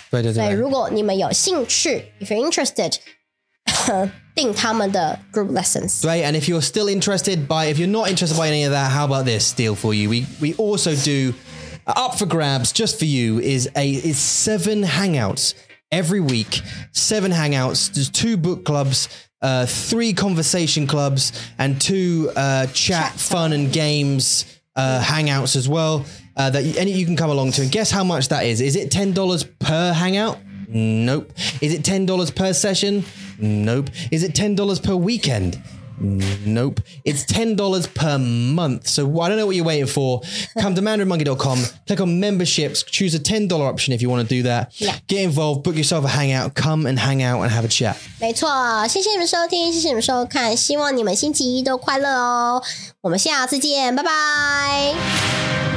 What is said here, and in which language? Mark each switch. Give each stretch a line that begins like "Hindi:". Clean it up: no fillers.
Chinese: 对对对。所以如果你们有兴趣,
English: if you're interested, 订他们的 group lessons. Right, and if you're not interested by any of that, how about this deal for you? We also do up for grabs just for you is 7 hangouts. Every week, 7 hangouts, there's 2 book clubs, 3 conversation clubs, and 2 chat fun and games hangouts as well, that you can come along to. And guess how much that is? Is it $10 per hangout? Nope. Is it $10 per session? Nope. Is it $10 per weekend? Nope. It's $10 per month. So I don't know what you're waiting for. Come to mandarinmonkey.com, click on memberships, choose a $10 option if you want to do that. Yeah. Get involved, book yourself a hangout, come and hang out and have a chat.
Chinese: 没错，谢谢你们收听，谢谢你们收看，希望你们星期一都快乐哦。我们下次见，拜拜。